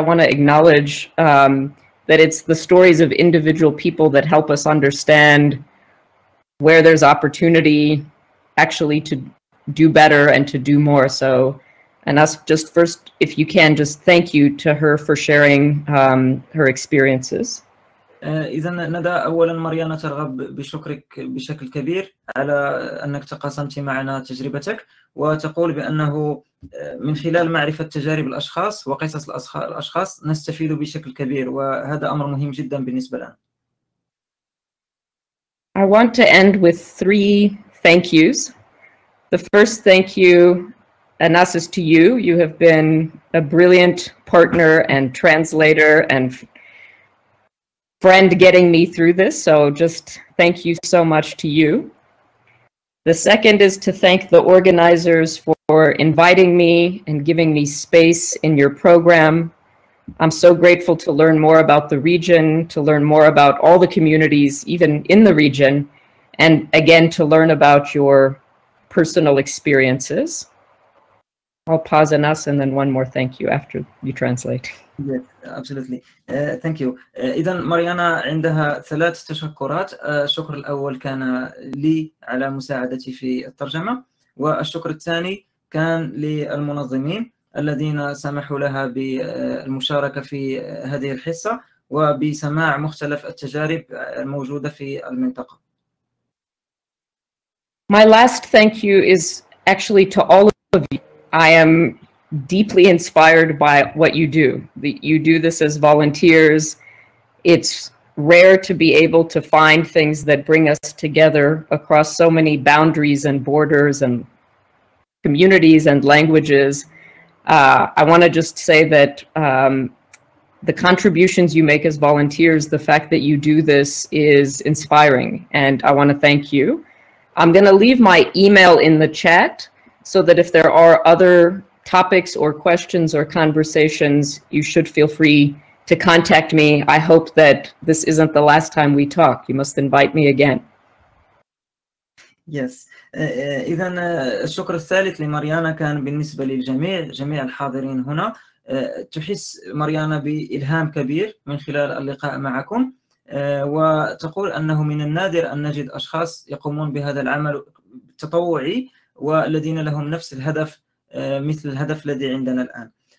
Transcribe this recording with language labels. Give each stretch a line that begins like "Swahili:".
English: I want to acknowledge that it's the stories of individual people that help us understand where there's opportunity actually to do better and to do more. So, and us just first, if you can, just thank you to her for sharing her experiences.
Arabic: إذن ندى أولا ماريانا ترغب بشكرك بشكل كبير على أنك تقاسمت معنا تجربتك وتقول بأنه من خلال معرفة تجارب الأشخاص وقصص الأشخاص نستفيد بشكل كبير وهذا أمر مهم جدا بالنسبة لنا.
English: I want to end with three thank yous. The first thank you, Anas, is to you. You have been a brilliant partner and translator and friend getting me through this, so just thank you so much to you. The second is to thank the organizers for inviting me and giving me space in your program. I'm so grateful to learn more about the region, to learn more about all the communities, even in the region, and again, to learn about your personal experiences. I'll pause on us and then one more thank you after you translate. Yes, absolutely. Thank you.
Arabic: إذن ماريانا عندها ثلاث تشكرات. الشكر الأول كان لي على مساعدتي في الترجمة. والشكر الثاني كان للمنظمين الذين سمحوا لها بالمشاركة في هذه الحصة وبسماع مختلف التجارب الموجودة في المنطقة.
English: My last thank you is actually to all of you. I am deeply inspired by what you do. You do this as volunteers. It's rare to be able to find things that bring us together across so many boundaries and borders and communities and languages. I want to just say that the contributions you make as volunteers, the fact that you do this is inspiring, and I want to thank you. I'm going to leave my email in the chat so that if there are other topics or questions or conversations, you should feel free to contact me. I hope that this isn't the last time we talk. You must invite me again. Yes.
Arabic: إذن الشكر الثالث لماريانا كان بالنسبة للجميع، جميع الحاضرين هنا. تحس ماريانا بإلهام كبير من خلال اللقاء معكم. وتقول أنه من النادر أن نجد أشخاص يقومون بهذا العمل التطوعي والذين لهم نفس الهدف مثل الهدف الذي عندنا الآن.